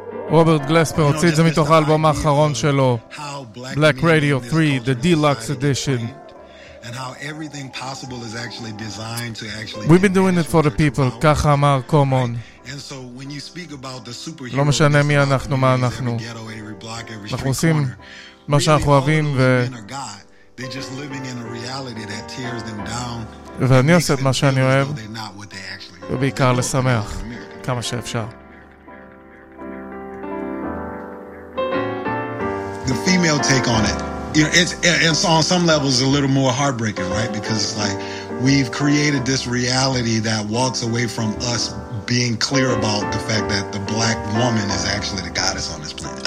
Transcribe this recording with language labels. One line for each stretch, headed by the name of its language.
Hebrew: רוברט גלספר הוציא את זה מתוך האלבום האחרון שלו, Black Radio 3, the deluxe edition.
English: And how everything possible is actually designed to actually we've been doing it for the people,
Hebrew: ככה אמר קומון.
English: And so when you speak about the superhero,
Hebrew: לא משנה מי אנחנו, מה אנחנו, אנחנו עושים מה שאנחנו אוהבים ו...
English: They're just living in a reality that tears them down.
Hebrew: ואני עושה את מה שאני אוהב, ובעיקר לשמח כמה שאפשר.
English: The female take on it, you know, it's on some levels a little more heartbreaking, right? Because it's like we've created this reality that walks away from us being clear about the fact that the black woman is actually the goddess on this planet.